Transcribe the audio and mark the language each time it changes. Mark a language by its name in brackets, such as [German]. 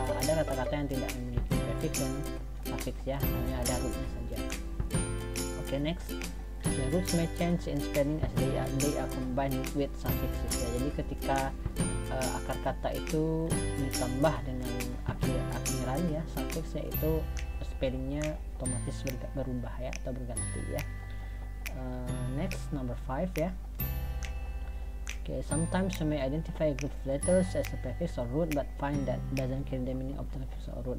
[Indonesian] Ada kata-kata yang tidak memiliki prefix dan suffix, ya, hanya ada rootnya saja. [English] Oke, next. The roots may change in spelling as they are combined with suffixes. [Indonesian] Ya. Jadi ketika akar kata itu ditambah dengan akhiran, ya, suffixnya, itu spellingnya otomatis berubah, ya, atau berganti, ya. [English] Next, number 5, ya. Okay, sometimes you may identify good letters as a prefix or root, but find that doesn't carry the meaning of the prefix or root.